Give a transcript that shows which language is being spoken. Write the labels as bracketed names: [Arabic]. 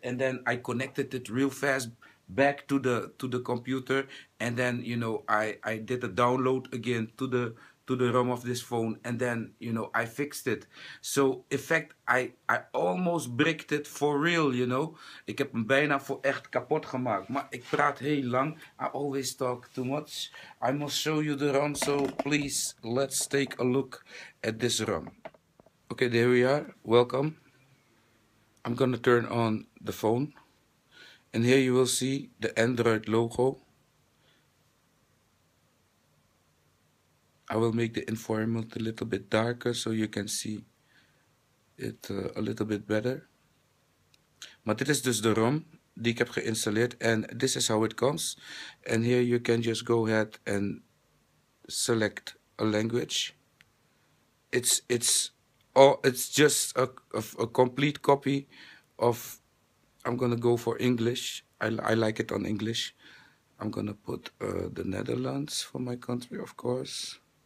[English] And then I connected it real fast back to the computer, and then, you know, I did a download again to the ROM of this phone, and then, you know, I fixed it. So in fact I almost bricked it for real, you know. [Dutch] Ik heb hem bijna voor echt kapot gemaakt. Maar ik praat heel lang. [English] I always talk too much. I must show you the ROM, so please let's take a look at this ROM. Okay, there we are. Welcome. I'm gonna turn on the phone. And here you will see the Android logo. I will make the environment a little bit darker so you can see it a little bit better. [Dutch] Maar dit is dus de ROM die ik heb geïnstalleerd, [English] and this is how it comes. And here you can just go ahead and select a language. It's just a complete copy of, I'm gonna go for English. I like it on English. I'm gonna put the Netherlands for my country, of course.